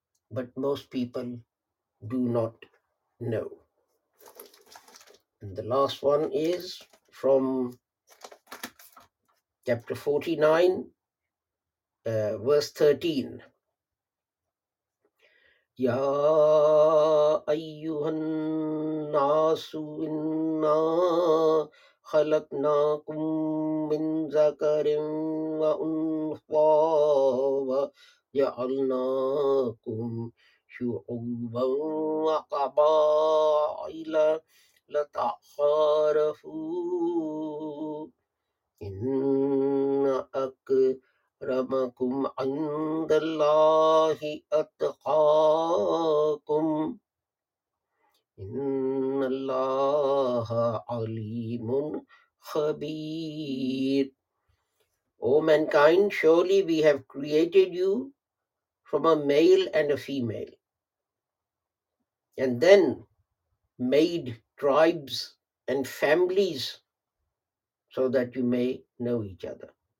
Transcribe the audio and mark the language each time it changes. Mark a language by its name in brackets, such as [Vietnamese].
[English] But most people do not know. And the last one is from chapter 49, verse 13. [Arabic] يا أيها الناس إنا خلقناكم من ذكر وأنثى وجعلناكم شعوبا وقبائل لتعارفوا إن أكرمكم عند الله أتقاكم إن الله عليم خبير. [English] O mankind, surely we have created you from a male and a female, and then made tribes and families so that you may know each other.